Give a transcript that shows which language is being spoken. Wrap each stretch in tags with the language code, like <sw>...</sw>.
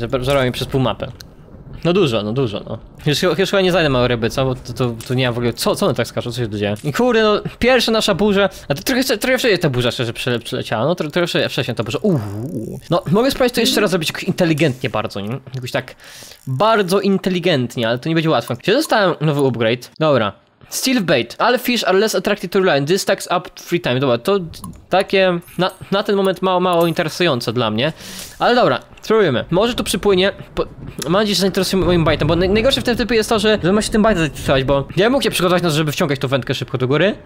<pl>Zabrał mnie przez pół mapy. No dużo. Już chyba nie znajdę małej ryby, co? Bo to nie ma w ogóle... Co one tak skaczą? Co się tu dzieje? I kurde, no, pierwsza nasza burza... A to trochę wcześniej ta burza szczerze przyleciała. No, trochę wcześniej ta burza. No, mogę sprawić to jeszcze raz zrobić jakoś inteligentnie bardzo, nie? Jakoś tak bardzo inteligentnie, ale to nie będzie łatwo. Czy dostałem nowy upgrade? Dobra. Steel bait.</pl> <en>All fish are less attracted to line. This stacks up free time.</en> <pl>Dobra, to takie na ten moment mało interesujące dla mnie. Ale dobra, spróbujemy. Może tu przypłynie. Mam nadzieję, że zainteresuje moim baitem, bo najgorsze w tym typie jest to, że ma się tym baitem zainteresować, bo ja bym mógł się przygotować na to, żeby wciągać tą wędkę szybko do góry.</pl>